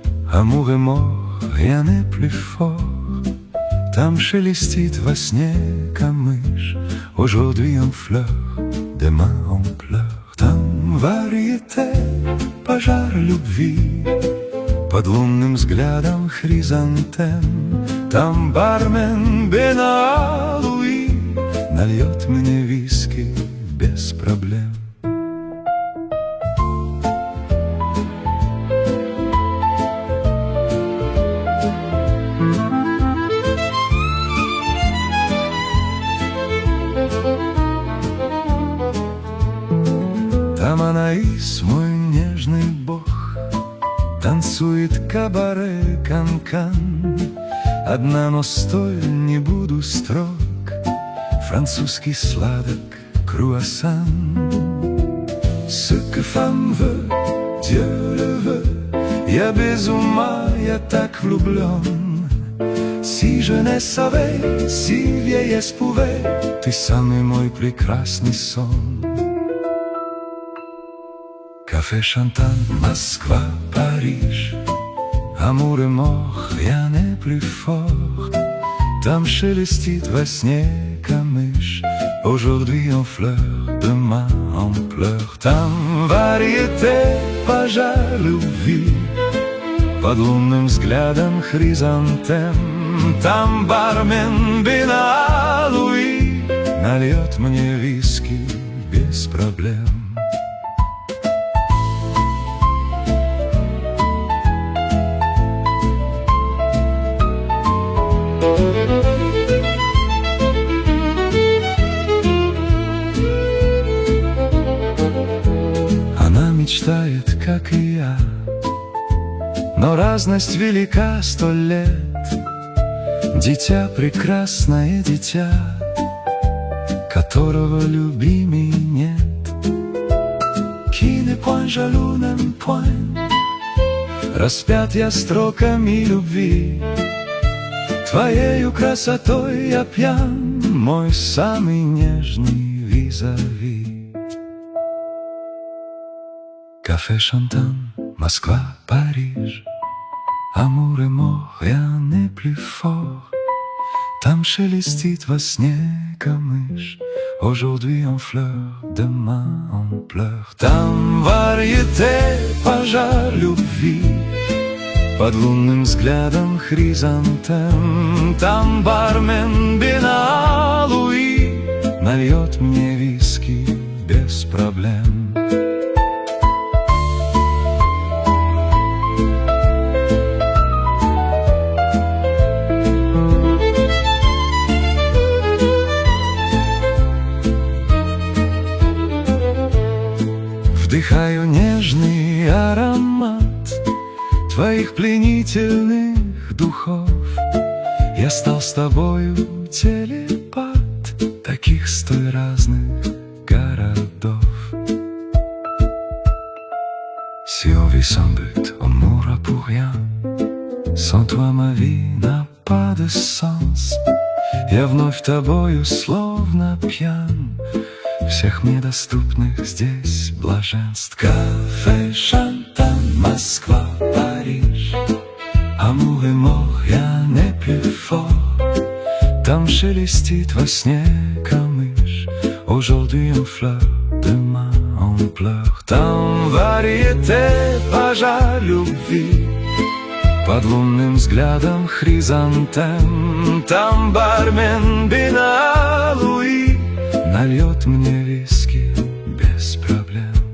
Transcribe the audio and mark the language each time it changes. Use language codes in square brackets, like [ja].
[fr] Amour et mort, rien n'est plus fort. [ru] Там шелестит во сне камыш. [fr] Aujourd'hui en fleurs, demain en pleurs. [ru] Там variété, пожар любви. Под лунным взглядом хризантем. Там бармен Бен-Алуи нальет мне виски без проблем. Там Анаис, мой нежный бог, танцует кабаре кан-кан. Одна, но стоя не буду строг, французский сладок круассан. [fr] Ce que femme veut, Dieu le veut, [ru] я без ума, я так влюблен. [fr] Si je ne savais, si vieillesse pouvait, [ru] ты самый мой прекрасный сон. [fr] Café Chantant, Москва, Париж. Amour et mort, rien n'est plus fort. [ru] Там шелестит во сне камыш. [fr] Aujourd'hui en fleurs, demain en pleurs. [ru] Там variété, пожар любви. Под лунным взглядом хризантем. Там бармен Бен-Алуи нальет мне виски без проблем. Мечтает, как и я, но разность велика сто лет. Дитя, прекрасное дитя, которого любимей нет. [fr] Qui ne point jaloux ne point, [ru] распят я строками любви. Твоею красотой я пьян, мой самый нежный визави. [fr] Café Chantant, Москва, Париж. Amour et mort, rien n'est plus fort. [ru] Там шелестит во сне камыш. [fr] Aujourd'hui en fleurs, demain en pleurs. [ru] Там variété, пожар любви. Под лунным взглядом хризантем. Там бармен Бен-Алуи нальет мне виски без проблем. Вдыхаю нежный аромат твоих пленительных духов. Я стал с тобою телепат таких столь разных городов. [fr] Si on vit sans but, on mourra pour rien. Sans toi ma vie n'a pas de sens. [ru] Я вновь тобою словно пьян. Всех мне доступных здесь блаженств. [fr] Café Chantant, Москва, Париж. Amour et mort, [ru] я не [fr] plus fort. [ru] Там шелестит во сне камыш. [fr] Aujourd'hui en fleur, demain en pleur. [ru] Там variété, пожар любви. Под лунным взглядом хризантем. Там бармен Бен-Алуи нальет мне виски без проблем.